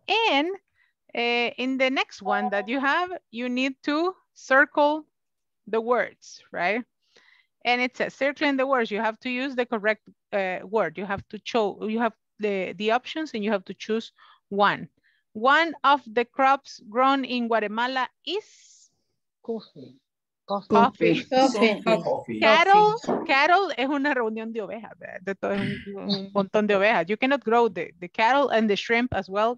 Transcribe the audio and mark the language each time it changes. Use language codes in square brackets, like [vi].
[en] And in the next one that you have, you need to circle the words, right? And it says circling the words, you have to use the correct word. You have to you have the options and you have to choose one. One of the crops grown in Guatemala is coffee. [es] Cattle es una reunión de ovejas, de todo un montón de ovejas. [en] You cannot grow the cattle and the shrimp as well.